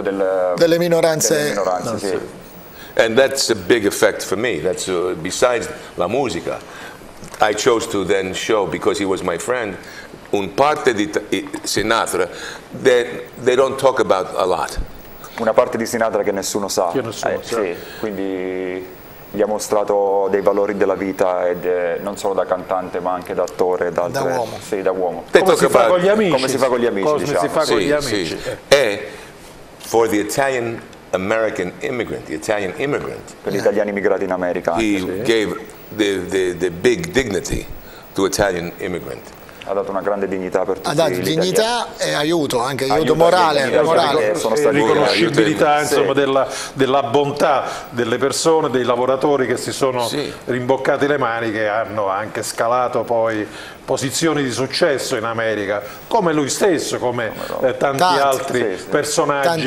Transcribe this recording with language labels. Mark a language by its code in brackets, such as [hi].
[it] delle minoranze. Delle minoranze, sì. [en] And that's a big effect for me. That's besides [it] la musica. [en] I chose to then show, because he was my friend, [it] un parte di Sinatra [en] that they don't talk about a lot. [it] Una parte di Sinatra che nessuno sa. Che nessuno sa. Sì, quindi gli ha mostrato dei valori della vita, ed non solo da cantante, ma anche da attore. Da uomo. Sì, da uomo. Come si fa con gli amici. Come si fa con gli amici, come diciamo. Si fa con gli amici. [en] Sì. E for the Italian... American immigrant, the Italian immigrant. [it] Per gli italiani immigrati in America. [en] He gave the big dignity to Italian immigrant. [it] Ha dato una grande dignità per tutti. Ha dato dignità e aiuto, anche aiuto morale. Morale. Sono stati riconoscibilità, insomma, della bontà delle persone, dei lavoratori che si sono rimboccati le maniche, hanno anche scalato poi posizioni di successo in America, come lui stesso, come tanti altri personaggi